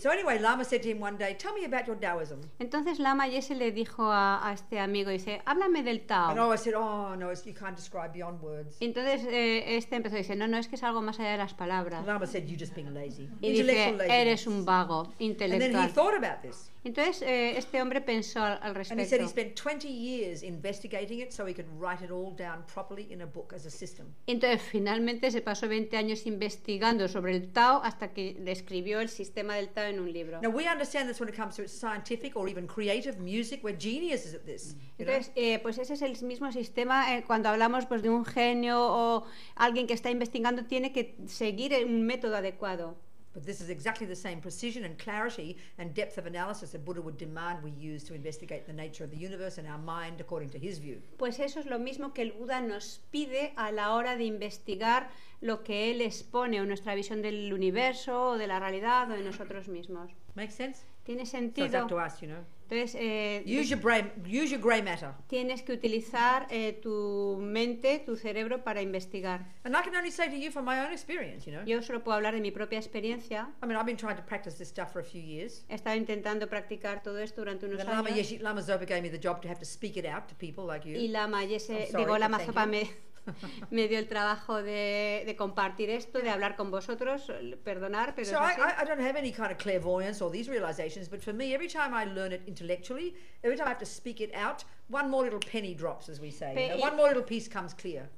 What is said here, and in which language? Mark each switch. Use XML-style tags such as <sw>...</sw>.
<en>So anyway, Lama said to him one day, tell me about your Taoism.</en> <es>Entonces Lama Yesen le dijo a este amigo, dice, háblame del Tao.</es> <en>And Oa said, oh no, you can't describe beyond words.</en> <es>Entonces este empezó a decir, no, no, es que es algo más allá de las palabras.</es> <en>Lama said, you're just being lazy.</en> <es>Y dice, eres un vago, intelectual.</es> <en>And then he thought about this.</en> <es>Entonces este hombre pensó al respecto.</es> <en>And he said he spent 20 years investigating it so he could write it all down properly in a book as a system.</en> <es>Entonces finalmente se pasó 20 años investigando sobre el Tao hasta que describió el sistema del Tao en un libro.</es> <en>Now we understand this when it comes to scientific or even creative music, we're geniuses at this.</en> <es>Entonces pues ese es el mismo sistema cuando hablamos pues de un genio o alguien que está investigando tiene que seguir un método adecuado.</es> <en>But this is exactly the same precision and clarity and depth of analysis that Buddha would demand we use to investigate the nature of the universe and our mind according to his view.</en> <es>Pues eso es lo mismo que el Buda nos pide a la hora de investigar lo que él expone, o nuestra visión del universo, o de la realidad, o de nosotros mismos.</es> <en>Makes sense?</en> <es>Tiene sentido.</es> <en>So it's up to us, you know.</en> <es>Entonces,</es> <en>use your gray matter.</en> <es>Tienes que utilizar tu mente, tu cerebro, para investigar.</es> <en>And I can only say to you from my own experience, you know.</en> <es>Yo solo puedo hablar de mi propia experiencia.</es> <en>I mean, I've been trying to practice this stuff for a few years.</en> <es>He estado intentando practicar todo esto durante unos años.</es> <en>Lama Zopa gave me the job to have to speak it out to people like you.</en> <es>Y Lama Yeshe, digo, Lama Zopa me dio el trabajo de compartir esto, de hablar con vosotros, perdonar, pero</es> <en>so I don't have any kind of clairvoyance or these realizations, but for me, every time I learn it intellectually, every time I have to speak it out, one more little penny drops, as we say, one more little piece comes clear.</en>